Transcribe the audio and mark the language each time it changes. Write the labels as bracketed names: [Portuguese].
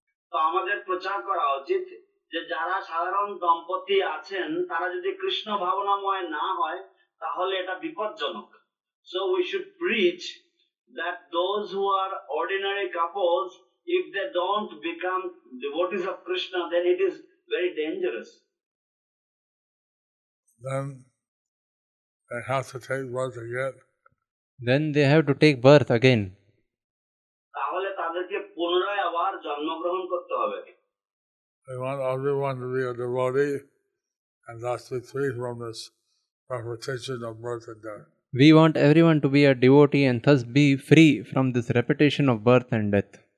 [Bangla] তো আমাদের প্রচার করা উচিত যে যারা সাধারণ দম্পতি আছেন তারা যদি কৃষ্ণ ভাবনাময় না হয় তাহলে এটা বিপজ্জনক। [English] So we should preach that those who are ordinary couples, if they don't become devotees of Krishna, then it is very dangerous. Then they have to take birth again. Then they have to take birth again. [Bangla] তাহলে তাদেরকে পুনরায় আবার জন্মগ্রহণ। [English] We want everyone to be a devotee and thus be free from this repetition of birth and death. We want everyone to be a devotee and thus be free from this repetition of birth and death.